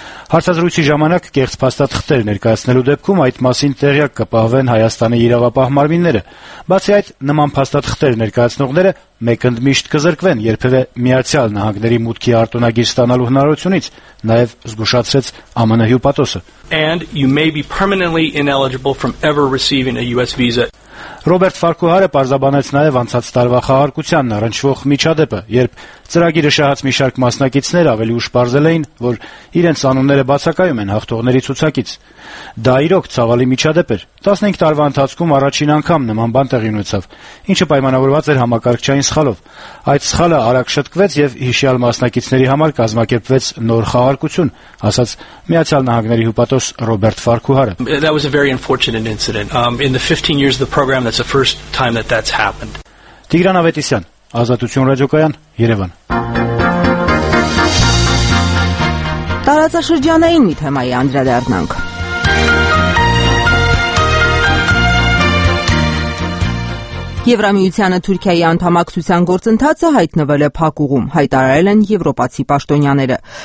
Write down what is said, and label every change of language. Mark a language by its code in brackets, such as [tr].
[hy] Հարցազրույցի ժամանակ կեղծ փաստաթղթեր խտել ներկայացնելու դեպքում այդ մասին տեղյակ կպահվեն Հայաստանի իրավապահ մարմինները։ Բացի այդ, նման փաստաթղթեր ներկայացնողները մեկընդմիշտ կզրկվեն երբևէ Միացյալ Նահանգների մուտքի արտոնագիր ստանալու հնարավորությունից, նաև զգուշացրեց ԱՄՆ հյուպատոսը։ [en] And you may be permanently ineligible from ever receiving a US visa. [hy] Ռոբերտ Ֆարկուհարը պարզաբանեց նաև անցած տարվա խաղարկությանն առնչվող միջադեպը, երբ ծրագիրը շահած մի շարք մասնակիցներ ավելի ուշ պարզել էին, որ իրենց անունները բացակայում են հաղթողների ցուցակից։ Դա իրոք ցավալի միջադեպ էր, 15 տարվա ընթացքում առաջին անգամ նման բան տեղի ունեցավ, ինչը պայմանավորված էր համակարգչային սխալով։ Այդ սխալը արագ շտկվեց և հիշյալ մասնակիցների համար կազմակերպվեց նոր խաղարկություն, ասաց Միացյալ Նահանգների հյուպատոս Ռոբերտ Ֆարկուհարը։ [en] That was a very unfortunate incident. In the 15 years of the program, that's the first time that that's happened. [hy] Տիգրան Ավետիսյան, Ազատություն ռադիոկայան, Երևան։ Տարածաշրջանային մի թեմայի անդրադառնանք։ Եվրամիությանը Թուրքիայի անդամակցության գործընթացը հայտնվել է փակուղում, հայտարարել են եվրոպացի պաշտոնյաները։